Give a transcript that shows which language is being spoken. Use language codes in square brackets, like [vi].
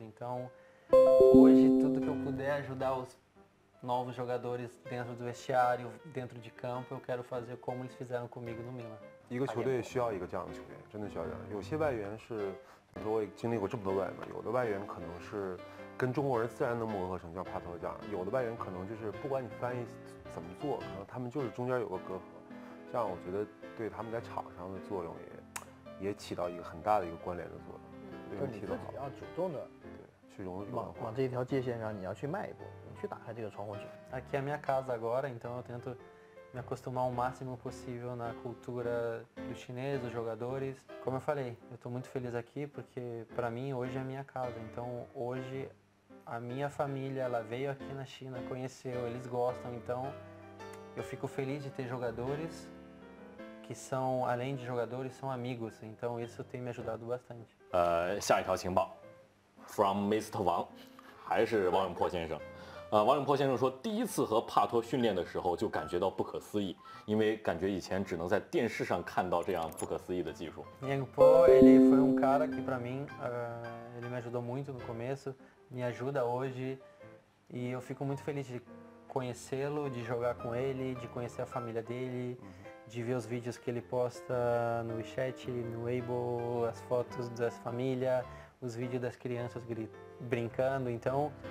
[pt] Então, hoje, tudo que eu puder ajudar os novos jogadores dentro do vestiário, dentro de campo, eu quero fazer como eles fizeram comigo no Milan. [zh] 一个球队需要一个这样的球员，真的需要这样。有些外援是，比如说我经历过这么多外援，有的外援可能是跟中国人自然能磨合成像帕特这样，有的外援可能就是不管你翻译怎么做，可能他们就是中间有个隔阂。这样我觉得对他们在场上的作用也起到一个很大的一个关联的作用，就是你自己要主动的，对，去融入文化，往这一条界限上你要去迈一步，你去打开这个窗户纸。 [pt] Aqui é minha casa agora, então eu tento me acostumar o máximo possível na cultura do chinês, dos jogadores. Como eu falei, eu estou muito feliz aqui porque para mim hoje é minha casa. Então hoje a minha família, ela veio aqui na China, conheceu, eles gostam. Então eu fico feliz de ter jogadores que são, além de jogadores, são amigos. Então isso tem me ajudado bastante. [zh] 下一条情报 ， [en] from Mr. [zh] 王，还是王永珀先生。王永珀先生说，第一次和帕托训练的时候就感觉到不可思议，因为感觉以前只能在电视上看到这样不可思议的技术。 [pt] Yang Po, ele foi cara que para mim, ele me ajudou muito no começo, me ajuda hoje, e eu fico muito feliz de conhecê-lo, de jogar com ele, de conhecer a família dele, de ver os vídeos que ele posta no WeChat, no Weibo, as fotos da família, os vídeos das crianças brincando, então...